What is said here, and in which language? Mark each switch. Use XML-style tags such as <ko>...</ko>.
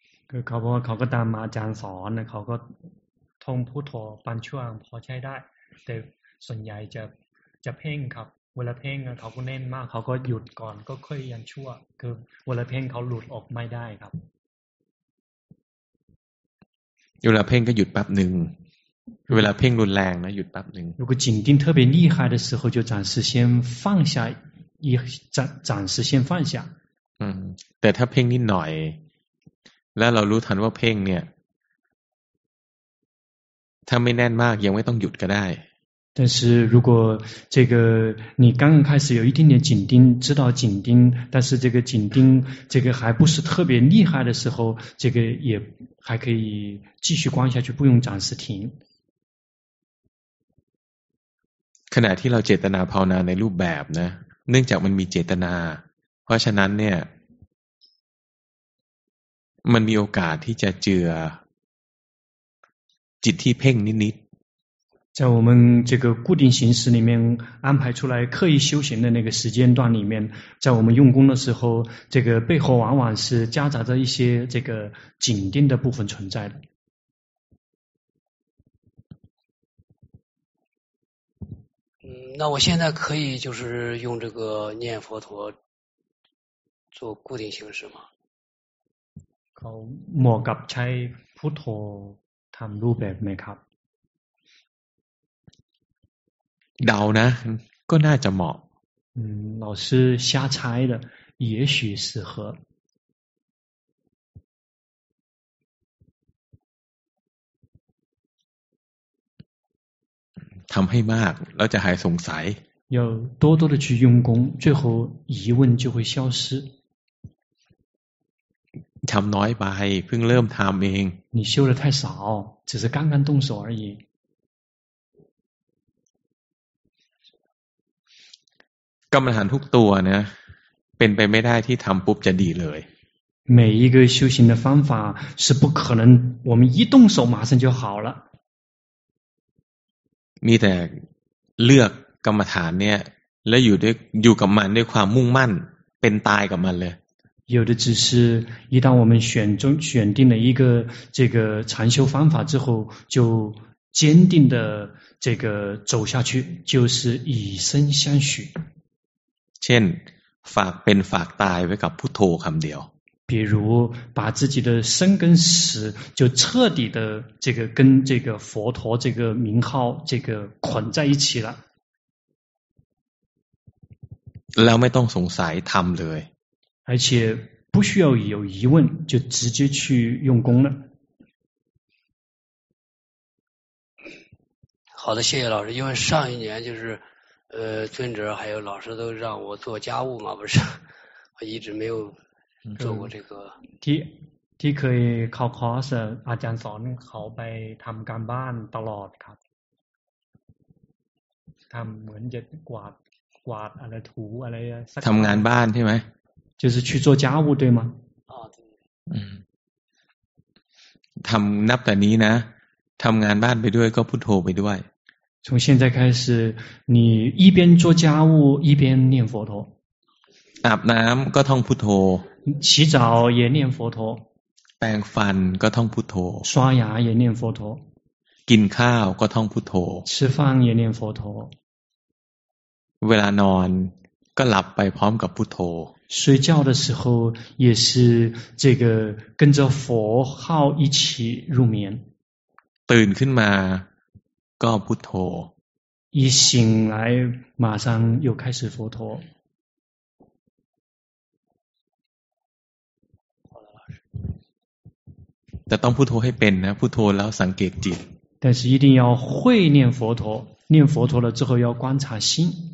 <th>คือเขาบอกว่าเขาก็ตามมาอาจารย์สอนนะเขาก็ท่องพุทโธบางช่วงพอใช้ได้แต่ส่วนใหญ่จะเพ่งครับเวลาเพ่งเขาก็เน้นมากเขาก็หยุดก่อนก็ค่อยยันชั่วคือเวลาเพ่งเขาหลุดออกไม่ได้ครับ เวลาเพ่งก็หยุดแป๊บหนึ่งเวลาเพ่งรุนแรงนะหยุดแป๊บหนึ่ง</th> <zh>如果紧盯特别厉害的时候就暂时先放下一暂时先放下</zh> <th>แต่ถ้าเพ่งนิดหน่อยแล้วเรารู้ทันว่าเพ่งเนี่ยถ้าไม่แน่นมากยังไม่ต้องหยุดก็ได้แ</th> <zh>ต่是如果这个你刚刚开始有一点点紧盯知道紧盯但是这个紧盯这个还不是特别厉害的时候这个也还可以继续观下去不用暂时停</zh> <th>ขณะที่เราเจตนาภาวนาในรูปแบบนะเนื่องจากมันมีเจตนาเพราะฉะนั้นเนี่ยมันมีโอกาสที่จะเจือจิตที่เพ่งนิด</th> <zh>ๆ在我们这个固定形式里面安排出来刻意修行的那个时间段里面在我们用功的时候这个背后往往是夹杂着一些这个紧盯的部分存在的那我现在可以就是用这个念佛陀做固定形式吗？</zh> <th>เขาเหมาะกับใช้พุทโธทำรูปแบบไหมครับ เดานะก็น่าจะเหมาะ</th> <zh>老师瞎猜的也许适合</zh> <th>ทำให้มากแล้วจะหายสงสัย</th> <zh>要多多的去用功最后疑问就会消失</zh> <th>ทำน้อยไปเพิ่งเริ่มทำเอง</th> <zh>你修的太少只是刚刚动手而已</zh> <th>กรรมฐานทุกตัวเนี่ยเป็นไปไม่ได้ที่ทำปุ๊บจะดีเลย</th> <zh>每一个修行的方法是不可能我们一动手马上就好了</zh> <th>มีแต่เลือกกรรมฐานเนี่ยแล้วอยู่ด้วยอยู่กับมันด้วยความมุ่งมั่นเป็นตายกับมันเลย</th> <zh>有的只是一旦我们选定了一个这个禅修方法之后就坚定的这个走下去就是以身相许</zh> <th>เช่นฝากเป็นฝากตายไว้กับพุทโธคำเดียว</th> <zh>比如把自己的生跟死就彻底的这个跟这个佛陀这个名号这个捆在一起了</zh> <th>แล้วไม่ต้องสงสัยทำเลย</th> <zh>而且不需要有疑问就直接去用功了好的谢谢老师因为上一年就是尊者还有老师都让我做家务嘛不是我一直没有做过这个</zh> <th>ที่เคยเข้าคอร์สอาจารย์สอนเขาไปทำการบ้านตลอดครับทำเหมือนจะกวาดอะไรถูอะไรสัก ทำงานบ้านใช่ไหม</th> <zh>就是去做家务对吗</zh> <th>ทำนับแต่นี้นะทำงานบ้านไปด้วยก็พุทโธไปด้วย</th> <zh>从现在开始你一边做家务一边念佛陀</zh> <th>อาบน้ำก็ท่องพุทโธ</th> <zh>洗澡也念佛陀</zh> <th>แปรงฟันก็ท่องพุทโธ</th> <zh>刷牙也念佛陀</zh> <th>กินข้าวก็ท่องพุทโธ</th> <zh>吃饭也念佛陀</zh> <th>เวลานอนก็หลับไปพร้อมกับพุทโธ</th> <zh>睡觉的时候也是这个跟着佛号一起入眠</zh> <th>ตื่นขึ้นมาก็พุทโธ</th> <zh>一醒来马上又开始佛陀</zh> <th>แต่ต้องพุทโธให้เป็นนะพุทโธแล้วสังเกตจิต</th> <zh>但是一定要会念佛陀念佛陀了之后要观察心</zh>